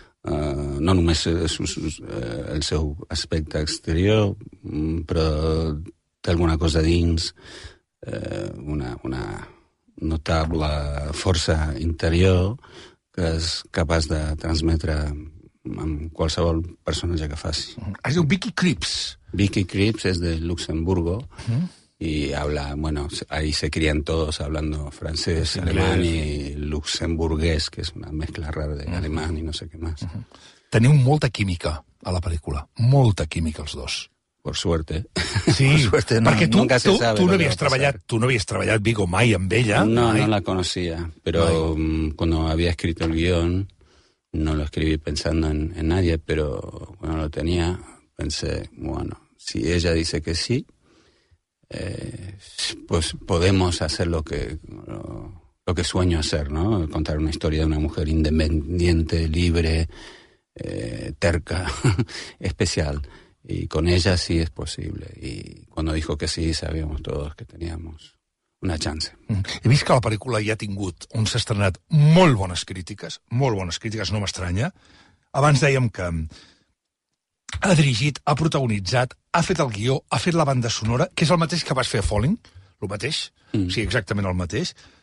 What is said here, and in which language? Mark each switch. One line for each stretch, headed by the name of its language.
Catalan: No només el seu aspecte exterior, però té alguna cosa dins, una notable força interior que és capaç de transmetre amb qualsevol personatge que faci. Es diu Vicky Krieps.
Spanish: Vicky Krieps
Catalan: és de Luxemburgo i
Spanish: habla, bueno, ahí se crían todos hablando francés, alemán y luxemburgués, que es una mezcla rara de alemán y no sé qué más.
Catalan: Teniu molta química a la pel·lícula, molta química els dos.
Spanish: Por suerte. Sí, por suerte, no,
Catalan: perquè tu,
Spanish: nunca se sabe
Catalan: tu no havies treballat, tu no havies treballat Viggo mai amb ella. No, mai.
Spanish: No la conocía, pero cuando había escrito el guión, no lo escribí pensando en nadie, pero cuando lo tenía, pensé, bueno, si ella dice que sí, pues podemos hacer lo que sueño hacer, ¿no? Contar una historia de una mujer independiente, libre, terca, especial. Y con ella sí es posible. Y cuando dijo que sí, sabíamos todos que teníamos una chance.
Catalan: He vist que la pel·lícula ja ha tingut, on s'ha estrenat, molt bones crítiques, molt bones crítiques, no m'estranya. Abans dèiem que ha dirigit, ha protagonitzat, ha fet el guió, ha fet la banda sonora, que és el mateix que vas fer a Falling, el mateix, sí, exactament el mateix.